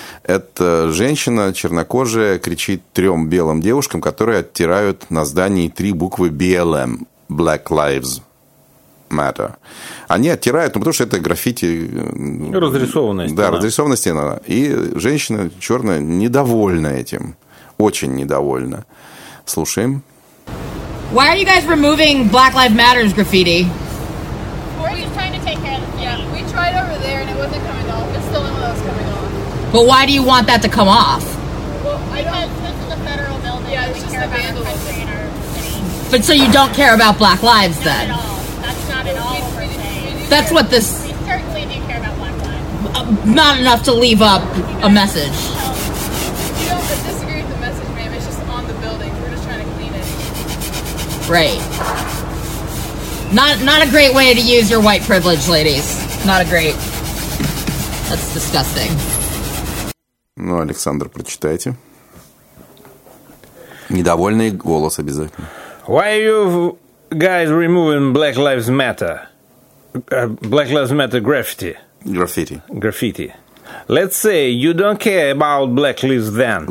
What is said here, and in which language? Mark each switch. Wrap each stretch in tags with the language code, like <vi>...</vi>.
<ru>Это женщина чернокожая кричит трем белым девушкам, которые оттирают на здании три буквы BLM, Black Lives Matter. Они оттирают, ну, потому что это граффити. Разрисованная стена. Да, разрисованная стена. И женщина черная недовольна этим. Очень недовольна. Слушаем.</ru> <en>Why are you guys removing Black Lives Matter's graffiti? We're just trying to take care of it. Yeah, we tried over there and it wasn't coming off. It's still one of those coming off. But why do you want that to come off? Well, because this is a federal building. Yeah, it's just a vandal. But so you don't care about Black Lives then? Not at all. That's what this... We certainly do care about Black Lives. Not enough to leave up a message. You don't have to disagree with the message, ma'am. It's just on the building. We're just trying to clean it. Right. Not a great way to use your white privilege, ladies. Not a great... That's disgusting.</en> <ru>Ну, Александр, прочитайте. Недовольный голос обязательно.</ru> <en>Why are you guys removing Black Lives Matter? Black Lives Matter graffiti. Graffiti. Graffiti. Let's say you don't care about Black Lives then.</en>